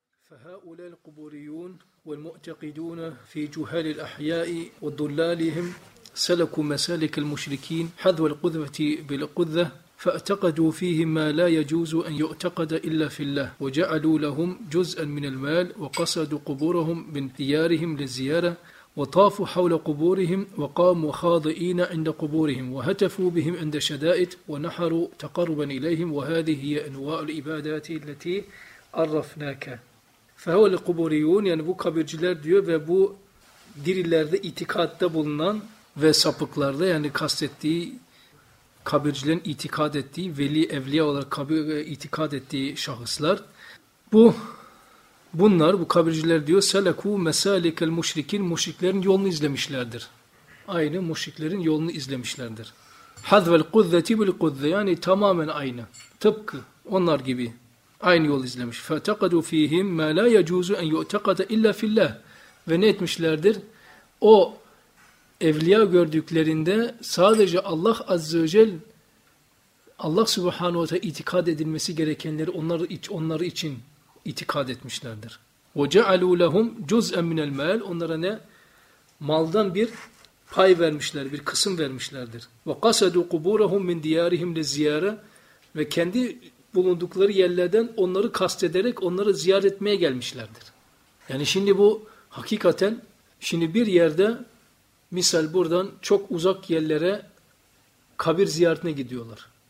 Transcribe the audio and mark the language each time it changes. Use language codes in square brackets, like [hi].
[ar] فهؤلاء القبوريون والمعتقدون في جهال الأحياء وضلالهم سلكوا مسالك المشركين حذو القذفة بالقذة، فاعتقدوا فيهم ما لا يجوز أن يعتقد إلا في الله، وجعلوا لهم جزءا من المال، وقصدوا قبورهم من ديارهم للزيارة، وطافوا حول قبورهم، وقاموا خاضئين عند قبورهم، وهتفوا بهم عند الشدائد، ونحروا تقربا إليهم. وهذه هي أنواع العبادات التي عرفناك. فهؤلاء القبوريون [tr] يعني bu kabirciler diyor ve bu dirilerde itikatta bulunan ve sapıklarda yani kastettiği kabircilerin itikad ettiği veli evliya olarak kabir itikad ettiği şahıslar bunlar bu kabirciler diyor [ar] seleku mesalikel müşrikin [tr] müşriklerin yolunu izlemişlerdir. Aynı müşriklerin yolunu izlemişlerdir. [ar] Hazvel kuzzeti bil kuzze [tr] yani tamamen aynı. Tıpkı onlar gibi aynı yol izlemiş. [ar] فَتَقَدُوا ف۪يهِمْ مَا لَا يَجُوزُ اَنْ يُعْتَقَدَ اِلَّا فِي اللّٰهِ [tr] Ve ne etmişlerdir? O evliya gördüklerinde sadece Allah Azze ve Celle, Allah Subhanahu ve Teala itikad edilmesi gerekenleri onlar için itikad etmişlerdir. [ar] وَجَعَلُوا لَهُمْ جُزْءًا مِنَ الْمَالِ [tr] Onlara ne? Maldan bir pay vermişler, bir kısım vermişlerdir. [ar] وَقَسَدُوا قُبُورَهُمْ مِنْ دِيَارِهِمْ لِزِيَارَةِ [tr] Ve kendi bulundukları yerlerden onları kastederek onları ziyaret etmeye gelmişlerdir. Yani şimdi bu hakikaten şimdi bir yerde misal buradan çok uzak yerlere kabir ziyaretine gidiyorlar.